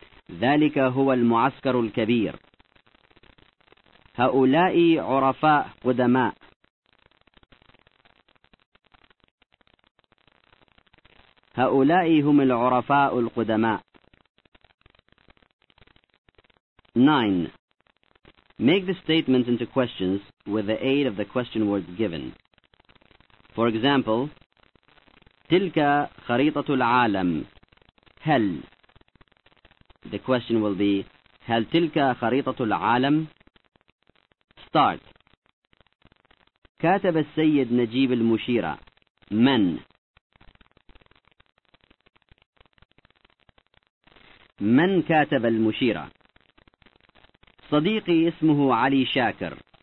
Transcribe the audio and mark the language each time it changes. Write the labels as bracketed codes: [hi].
[ar] ذلك هو المعسكر الكبير. هؤلاء عرفاء قدماء. هؤلاء هم العرفاء القدماء. 9. [en] Make the statements into questions with the aid of the question words given. For example, [ar] تلك خريطة العالم. [en] هل The question will be, [ar] هل تلك خريطة العالم؟ [en] Start. [ar] كاتب السيد نجيب المشيرة. من؟ من كاتب المشيرة؟ صديقي اسمه علي شاكر.